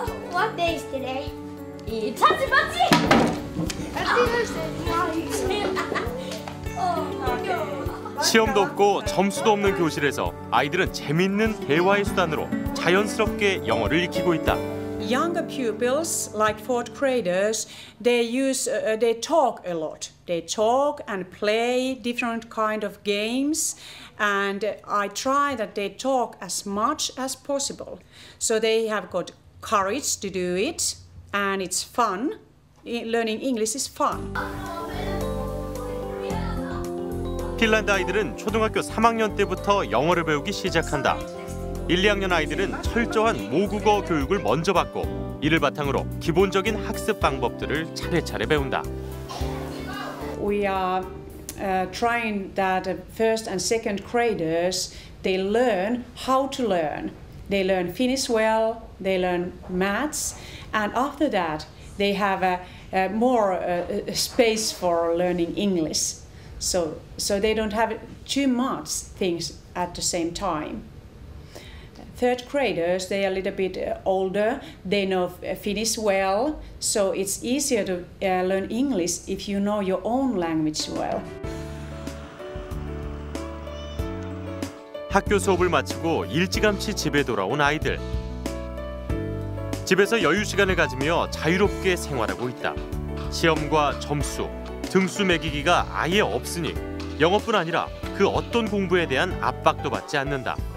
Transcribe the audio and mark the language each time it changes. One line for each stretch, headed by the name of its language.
English: What day is today? It's Thursday.
Korean: 시험도 없고 점수도 없는 교실에서 아이들은 재밌는 대화의 수단으로 자연스럽게 영어를 익히고 있다.
English: Younger pupils, like fourth graders, they talk a lot. They talk and play different kind of games, and I try that they talk as much as possible. So they have got courage to do it, and it's fun. Learning English is fun.
Korean: 핀란드 아이들은 초등학교 3학년 때부터 영어를 배우기 시작한다. 1, 2학년 아이들은 철저한 모국어 교육을 먼저 받고 이를 바탕으로 기본적인 학습 방법들을 차례차례 배운다.
English: We are trying that first and second graders they learn how to learn. They learn Finnish well, they learn maths, and after that they have more space for learning English. So they don't have too much things at the same time. Third graders, they are a little bit older, they know Finnish well, so it's easier to learn English if you know your own language well.
Korean: 학교 수업을 마치고 일찌감치 집에 돌아온 아이들. 집에서 여유 시간을 가지며 자유롭게 생활하고 있다. 시험과 점수, 등수 매기기가 아예 없으니 영어뿐 아니라 그 어떤 공부에 대한 압박도 받지 않는다.